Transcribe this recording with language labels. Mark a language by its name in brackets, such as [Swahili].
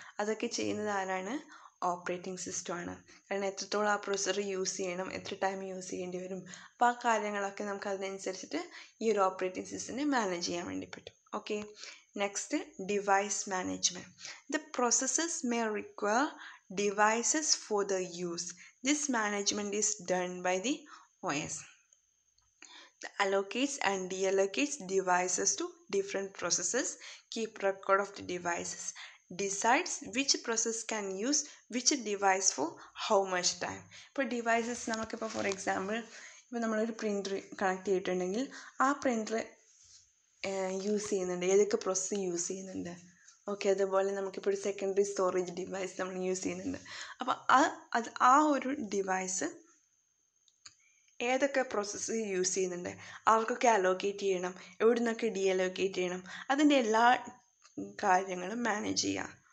[Malayalam] അതൊക്കെ ചെയ്യുന്നത് ആരാണ്, ഓപ്പറേറ്റിംഗ് സിസ്റ്റമാണ്. കാരണം എത്രത്തോളം ആ പ്രോസസ്സർ യൂസ് ചെയ്യണം, എത്ര ടൈം യൂസ് ചെയ്യേണ്ടി വരും, അപ്പോൾ ആ കാര്യങ്ങളൊക്കെ നമുക്ക് അതിനനുസരിച്ചിട്ട് ഈ ഒരു ഓപ്പറേറ്റിംഗ് സിസ്റ്റത്തിനെ മാനേജ് ചെയ്യാൻ വേണ്ടി പറ്റും. [English] Okay, next device management. The processes may require devices for the use. This management is done by the OS. It allocates and deallocates devices to different processes, keep record of the devices, decides which process can use which device for how much time. For devices, for example, [Malayalam] ഇപ്പം നമ്മളൊരു printer connect ചെയ്തിട്ടുണ്ടെങ്കിൽ ആ printer use ചെയ്യുന്നുണ്ട്, ഏതൊക്കെ process use ചെയ്യുന്നുണ്ട്. Okay, അതുപോലെ നമുക്കിപ്പോൾ ഒരു സെക്കൻഡറി സ്റ്റോറേജ് ഡിവൈസ് നമ്മൾ യൂസ് ചെയ്യുന്നുണ്ട്. അപ്പോൾ ആ ഒരു ഡിവൈസ് ഏതൊക്കെ പ്രോസസ്സ് യൂസ് ചെയ്യുന്നുണ്ട്, ആർക്കൊക്കെ അലോക്കേറ്റ് ചെയ്യണം, എവിടെ നിന്നൊക്കെ ഡി അലോക്കേറ്റ് ചെയ്യണം, അതിൻ്റെ എല്ലാ കാര്യങ്ങളും മാനേജ് ചെയ്യാം.